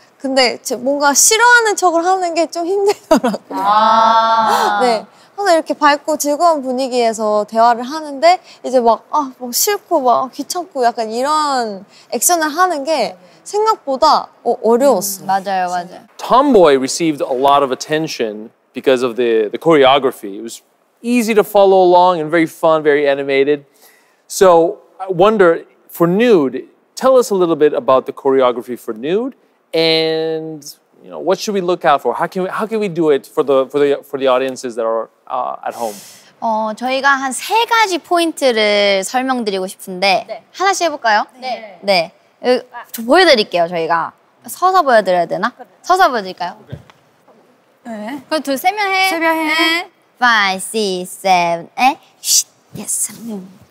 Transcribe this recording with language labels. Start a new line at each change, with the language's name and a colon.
Korean: 근데 뭔가 싫어하는 척을 하는 게 좀 힘들더라고요. 아~ 네. 항상 이렇게 밝고 즐거운 분위기에서 대화를 하는데 이제 막, 아, 막 싫고 막 귀찮고 약간 이런 액션을 하는 게 생각보다 어려웠어요. 맞아요, 맞아요.
English: Tomboy received a lot of attention because of the choreography. It was easy to follow along and very fun, very animated. So I wonder, for Nude, tell us a little bit about the choreography for Nude and, you know, what should we look out for? How can we do it for the audiences that are at home?
Korean: 저희가 한 세 가지 포인트를 설명드리고 싶은데 네. 하나씩 해볼까요? 네. 네. 저 보여드릴게요, 저희가. 서서 보여드려야 되나? 서서 보여드릴까요? 네. 그럼 둘, 세면 해. 세면 해. 네. 5, 6, 7, 8. 예, 3명.